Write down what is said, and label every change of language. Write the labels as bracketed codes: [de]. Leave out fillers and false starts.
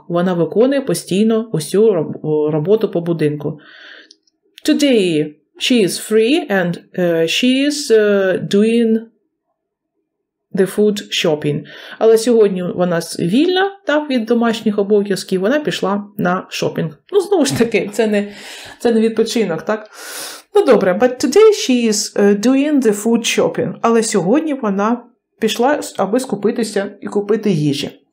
[uk] Вона виконує постійно усю роботу по будинку. [en] Today she is free and she is doing the food shopping. [uk] Але сьогодні вона вільна, так, від домашніх обов'язків, вона пішла на шопінг. Ну, знову ж таки, це не відпочинок, так? Ну, добре, [en] but today she is doing the food shopping. [uk] Але сьогодні вона пішла, аби скупитися і купити їжі.